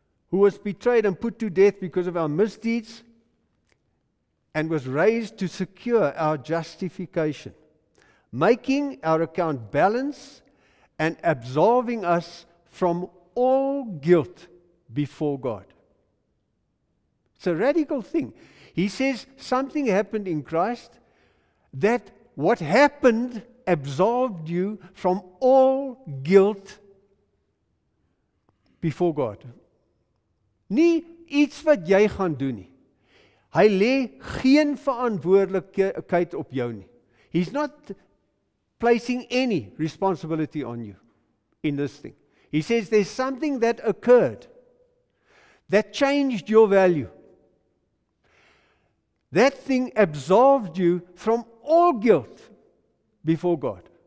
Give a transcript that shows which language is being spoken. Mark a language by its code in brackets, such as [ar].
[en] Who was betrayed and put to death because of our misdeeds and was raised to secure our justification, making our account balance and absolving us from all guilt before God. It's a radical thing. He says something happened in Christ that what happened absolved you from all guilt before God. [af] Nie iets wat jy gaan doen nie. Hy lê geen verantwoordelikheid op jou nie. [en] He's not placing any responsibility on you in this thing. He says there's something that occurred that changed your value, That thing absolved you from all guilt before God.